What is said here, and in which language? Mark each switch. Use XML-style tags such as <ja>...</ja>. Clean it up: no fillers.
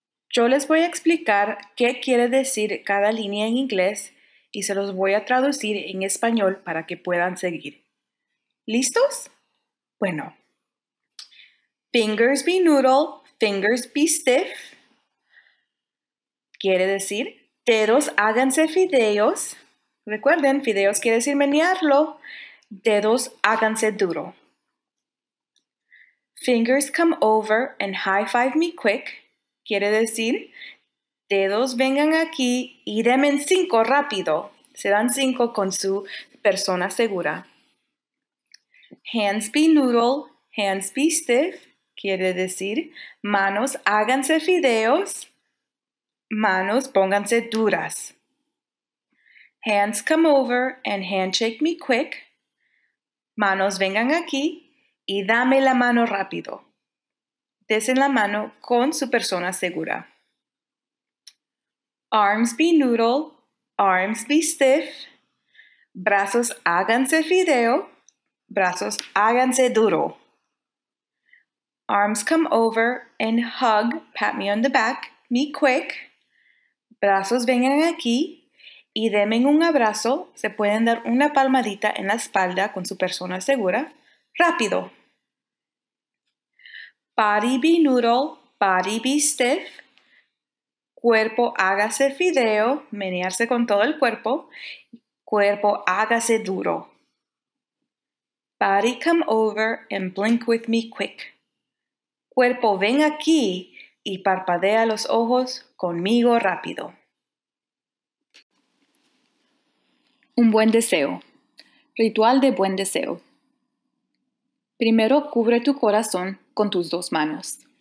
<es>Yo les voy a explicar qué quiere decir cada línea en inglés y se los voy a traducir en español para que puedan seguir. ¿Listos? Bueno.</es> <en>Fingers be noodle, fingers be stiff.</en> <es>Quiere decir, dedos háganse fideos. Recuerden, fideos quiere decir menearlo. Dedos háganse duro.</es> <en>Fingers come over and high five me quick.</en> <es>Quiere decir, dedos vengan aquí y denme 5 rápido. Se dan 5 con su persona segura.</es> <en>Hands be noodle, hands be stiff.</en> <es>Quiere decir, manos háganse fideos, manos pónganse duras.</es> <en>Hands come over and handshake me quick.</en> <es>Manos vengan aquí y dame la mano rápido. Desen la mano con su persona segura.</es> <en>Arms be noodle, arms be stiff.</en> <es>Brazos háganse fideo, brazos háganse duro.</es> <en>Arms come over and hug, pat me on the back, me quick.</en> <es>Brazos vengan aquí y denme un abrazo. Se pueden dar una palmadita en la espalda con su persona segura. Rápido.</es> <en>Body be noodle, body be stiff.</en> <es>Cuerpo hágase fideo, menearse con todo el cuerpo. Cuerpo hágase duro.</es> <en>Body, come over and blink with me quick.</en> <es>Cuerpo, ven aquí y parpadea los ojos conmigo rápido. Un buen deseo. Ritual de buen deseo. Primero, cubre tu corazón con tus dos manos.</es>